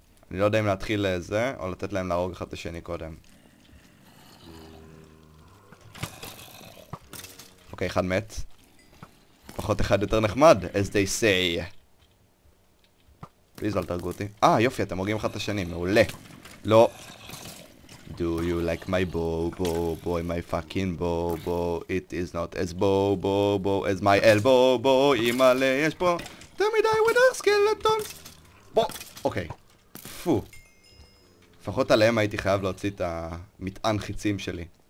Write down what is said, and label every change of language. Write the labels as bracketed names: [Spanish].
[Hebrew] אני לא יודע אם להתחיל לזה, או לתת להם להרוג אחד את השני קודם. אוקיי, אחד מת. פחות אחד יותר נחמד, [English] as they say. [Hebrew] פליז אל תרגו אותי. יופי, אתם הורגים אחד את השני, מעולה. לא. [English] Do you like my bow, bow, boy, my fucking bow, bow, it is not as bow, bow, bow, as my elbow, bow, [Hebrew] אימאלה, יש פה. [English] Tell me die with the skeletons. [Hebrew] בוא, אוקיי. פו. לפחות עליהם הייתי חייב להוציא את המטען חיצים שלי.